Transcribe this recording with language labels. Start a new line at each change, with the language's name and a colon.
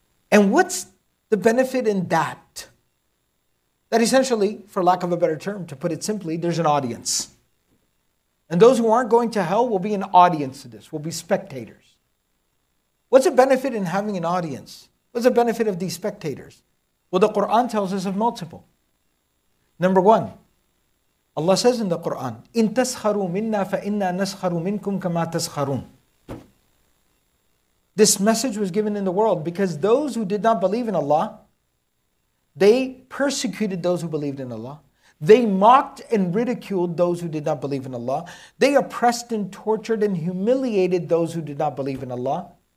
English: And what's the benefit in that? That essentially, for lack of a better term, to put it simply, there's an audience. And those who aren't going to hell will be an audience to this, will be spectators. What's the benefit in having an audience? What's the benefit of these spectators? Well, the Qur'an tells us of multiple. Number one, Allah says in the Qur'an,
Arabic: إِن تَسْخَرُوا مِنَّا فَإِنَّا نَسْخَرُوا مِنْكُمْ كَمَا تَسْخَرُونَ.
English: This message was given in the world because those who did not believe in Allah, they persecuted those who believed in Allah. They mocked and ridiculed those who did not believe in Allah. They oppressed and tortured and humiliated those who did not believe in Allah.